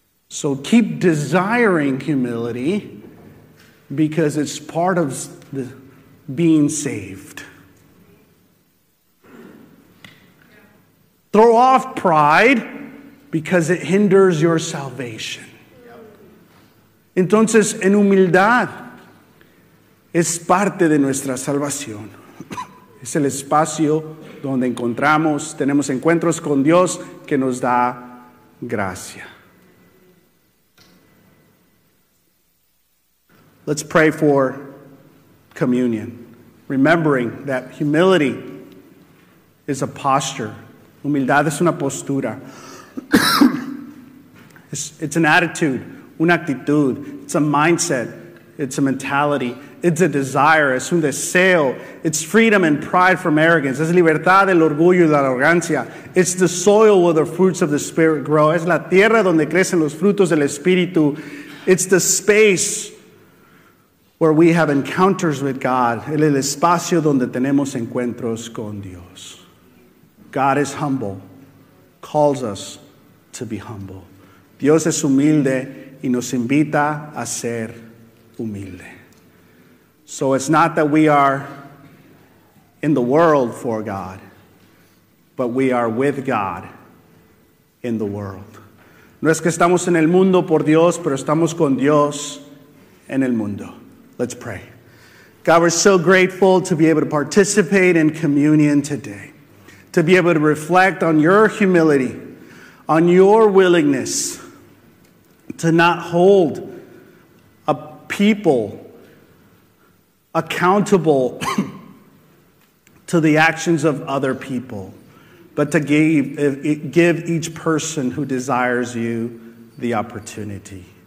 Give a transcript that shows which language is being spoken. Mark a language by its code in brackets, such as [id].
[en] So keep desiring humility because it's part of the being saved. Throw off pride because it hinders your salvation. [es] Entonces, en humildad, es parte de nuestra salvación. Es el espacio donde encontramos, tenemos encuentros con Dios que nos da gracia. [en] Let's pray for communion, remembering that humility is a posture. [es] Humildad es una postura. [en] It's an attitude, [es] una actitud. [en] It's a mindset. It's a mentality. It's a desire. [es] Es un deseo. [en] It's freedom and pride from arrogance. [es] Es libertad del orgullo y la arrogancia. [en] It's the soil where the fruits of the Spirit grow. [es] Es la tierra donde crecen los frutos del Espíritu. [en] It's the space where we have encounters with God. [es] El espacio donde tenemos encuentros con Dios. [en] God is humble, calls us to be humble. [es] Dios es humilde y nos invita a ser humilde. [en] So it's not that we are in the world for God, but we are with God in the world. [es] No es que estamos en el mundo por Dios, pero estamos con Dios en el mundo. [en] Let's pray. God, we're so grateful to be able to participate in communion today, to be able to reflect on your humility, on your willingness to not hold a people accountable to the actions of other people, but to give each person who desires you the opportunity.